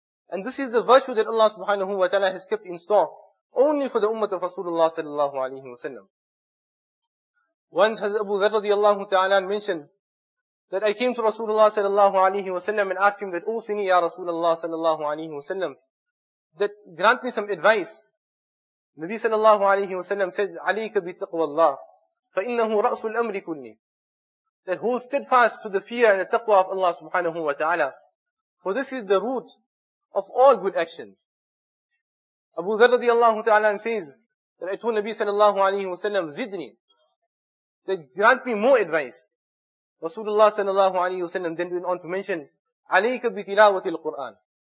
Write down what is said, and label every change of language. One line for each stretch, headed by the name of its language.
English: And this is the virtue that Allah subhanahu wa ta'ala has kept in store only for the ummah of Rasulullah sallallahu alayhi wa sallam. Once Hazrat Abu Dharr radiallahu ta'ala mentioned that I came to Rasulullah sallallahu alayhi wa sallam and asked him that, oh sini ya Rasulullah sallallahu alayhi wa sallam, that grant me some advice.
Arabic: Nabi sallallahu alayhi wa sallam said, عليك بتقوى الله فإنه رأس الأمر كله.
English: That hold steadfast to the fear and the taqwa of Allah subhanahu wa ta'ala. For this is the root of all good actions. Abu Dharr radiallahu ta'ala says that I told Nabi sallallahu alayhi wa sallam, zidni, that grant me more advice.
Arabic: Rasulullah sallallahu alayhi wa sallam then went on to mention, عليك بتلاوة القرآن.